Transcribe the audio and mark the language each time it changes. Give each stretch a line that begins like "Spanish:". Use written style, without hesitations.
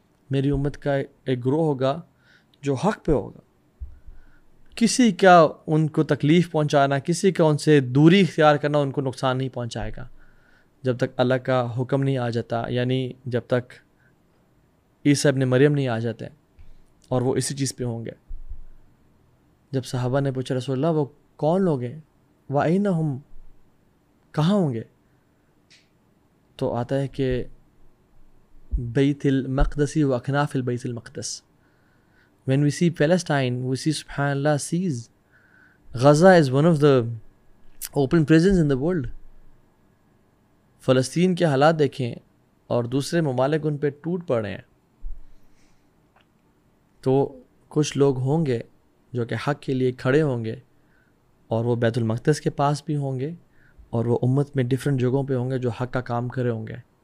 Urdu: میری امت کا ایک گروہ ہوگا جو حق پہ ہوگا, کسی کا ان کو تکلیف پہنچانا, کسی کا ان سے دوری اختیار کرنا ان کو نقصان نہیں پہنچائے گا جب تک اللہ کا حکم نہیں آ جاتا, یعنی جب تک عیسیٰ ابن مریم نہیں آ جاتے اور وہ اسی چیز پہ ہوں گے. جب صحابہ نے پوچھا رسول اللہ وہ کون لوگ ہیں,
Arabic: وَأَيْنَهُمْ,
Urdu: کہاں ہوں گے, تو آتا ہے کہ بیت المقدس و اکناف البیت المقدس.
English: When we see Palestine, we see subhanAllah sees Gaza is one of the open prisons in the world.
Urdu: فلسطین کے حالات دیکھیں اور دوسرے ممالک ان پہ ٹوٹ پڑے ہیں, تو کچھ لوگ ہوں گے جو کہ حق کے لیے کھڑے ہوں گے اور وہ بیت المقدس کے پاس بھی ہوں گے اور وہ امت میں ڈفرینٹ جگہوں پہ ہوں گے جو حق کا کام کرے ہوں گے.